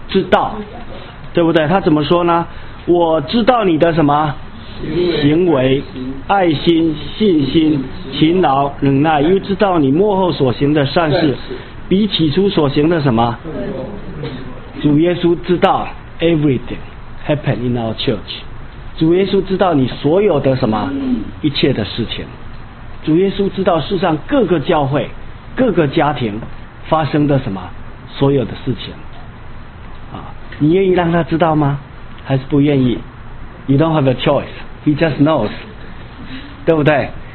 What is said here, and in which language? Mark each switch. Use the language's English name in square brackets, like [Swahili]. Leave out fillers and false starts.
[Chinese] 知道，对不对？他怎么说呢？我知道你的什么行为，爱心、信心、勤劳、忍耐，又知道你幕后所行的善事，比起初所行的什么？主耶稣知道 [English] everything happen in our church。 [Chinese] 主耶稣知道你所有的什么一切的事情。主耶稣知道世上各个教会各个家庭发生的什么所有的事情你愿意让他知道吗？还是不愿意？ [English] You don't have a choice. He just knows. [Chinese] 对不对？